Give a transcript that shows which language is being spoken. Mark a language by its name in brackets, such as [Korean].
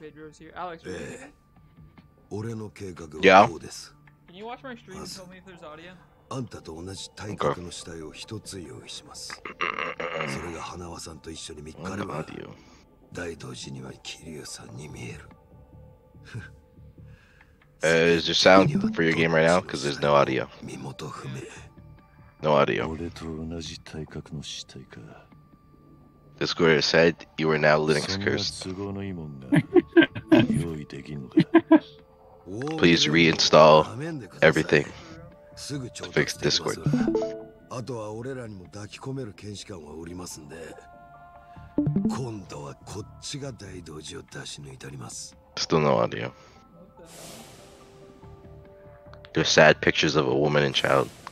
[Japanese] ええ。俺の計画はこうです。まず、あんたと同じ体格の死体を一つ用意します。それが花輪さんと一緒に見っかれば、大道寺には桐生さんに見える。 [English] Is there sound for your game right now? Because there's no audio. [Japanese] 身元不明。 [English] No audio. [Japanese] 俺と同じ体格の死体か。 [English] Discord said you are now Linux cursed. [Japanese] 都合のいいもんが用意できんのか。 [English] Please reinstall everything to fix Discord. [Japanese] あとは俺らにも抱き込める検視官は降りますんで、今度はこっちが大道寺を出し抜いたります。 [English] Still no audio. There are sad pictures of a woman and child.